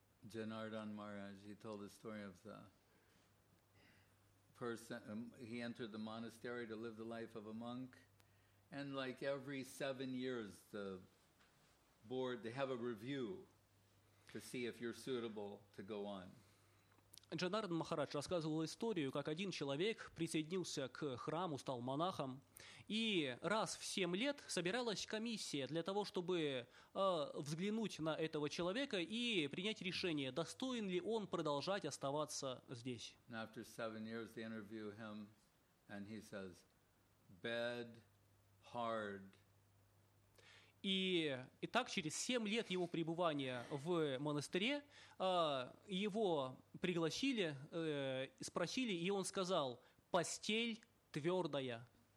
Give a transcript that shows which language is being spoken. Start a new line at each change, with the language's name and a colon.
English: Janardan Maharaj, he told the story of the person, he entered the monastery to live the life of a monk, and like every 7 years, the board, they have a review to see if you're suitable to go on.
Russian: Джанардан Махарадж рассказывал историю, как один человек присоединился к храму, стал монахом, и раз в 7 лет собиралась комиссия для того, чтобы взглянуть на этого человека и принять решение, достоин ли он продолжать оставаться здесь.
English: And after 7 years they interview him, and he says, bed hard.
Russian: И так через 7 лет его пребывания в монастыре его пригласили, спросили, и он сказал: «Постель твердая».